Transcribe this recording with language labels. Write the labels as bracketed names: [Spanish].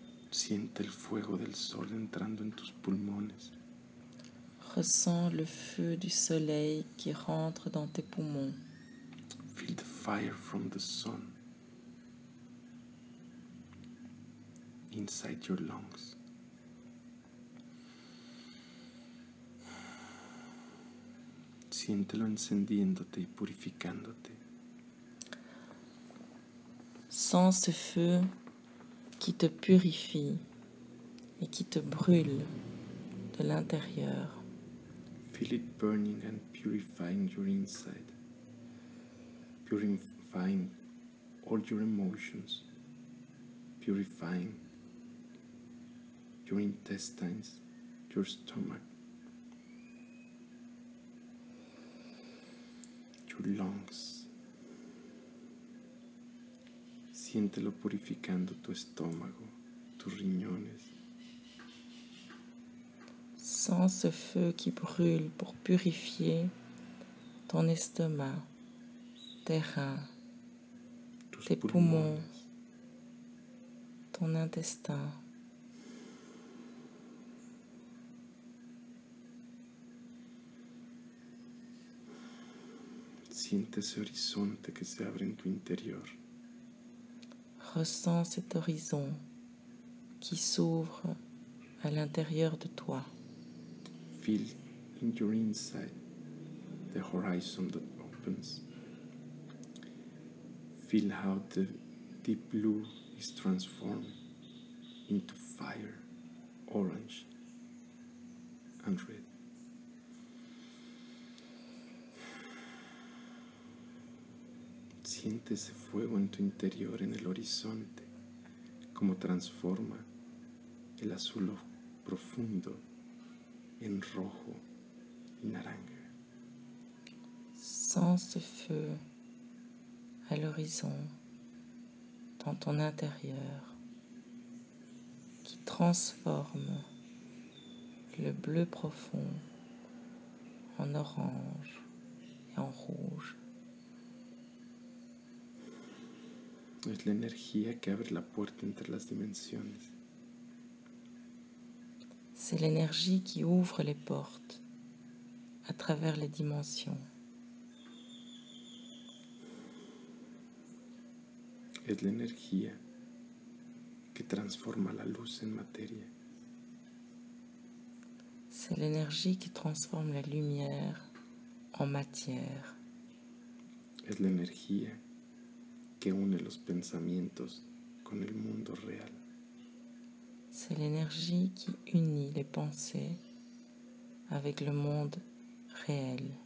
[Spanish] Siente el fuego del sol entrando en tus pulmones. [French] Ressens le feu du soleil qui rentre dans tes poumons. [English] Feel the fire from the sun inside your lungs. [Spanish] Siéntelo encendiéndote y purificándote. [French] Sens ce feu qui te purifie et qui te brûle de l'intérieur. [English] Feel it burning and purifying your inside, purifying all your emotions, purifying your intestines, your stomach, your lungs. [Spanish] Siéntelo purificando tu estómago, tus riñones. [French] Sens ce feu qui brûle pour purifier ton estomac, tes reins, tes poumons, ton intestin. [Spanish] Siente ce horizonte que se abre en tu interior. [French] Ressens cet horizon qui s'ouvre à l'intérieur de toi. [English] Feel in your inside the horizon that opens. Feel how the deep blue is transformed into fire, orange and red. [Spanish] Siente ese fuego en tu interior, en el horizonte, como transforma el azul profundo en rojo y naranja. [French] Sens ce feu à l'horizon, dans ton intérieur, qui transforme le bleu profond en orange et en rouge. [Spanish] Es la energía que abre la puerta entre las dimensiones. [French] C'est l'énergie qui ouvre les portes à travers les dimensions. [Spanish] Es la energía que transforma la luz en materia. [French] C'est l'énergie qui transforme la lumière en matière. [Spanish] Es la energía que une los pensamientos con el mundo real. [French] C'est l'énergie qui unit les pensées avec le monde réel.